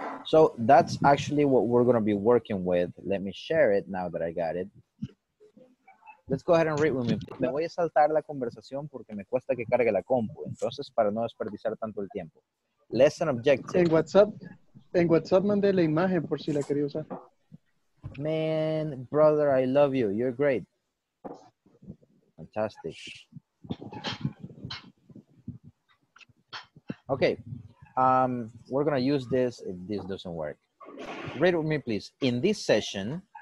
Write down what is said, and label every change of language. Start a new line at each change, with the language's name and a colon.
English: So that's actually what we're gonna be working with. Let me share it now that I got it. Let's go ahead and read with me.
Spanish: Me voy a saltar la conversación porque me cuesta que cargue la compu. Entonces, para no desperdiciar tanto el tiempo.
English: Lesson objective.
Spanish: En WhatsApp mandé la imagen por si la quería usar.
English: Man, brother, I love you. You're great. Fantastic. Okay. We're going to use this if this doesn't work. Read with me, please. In this session,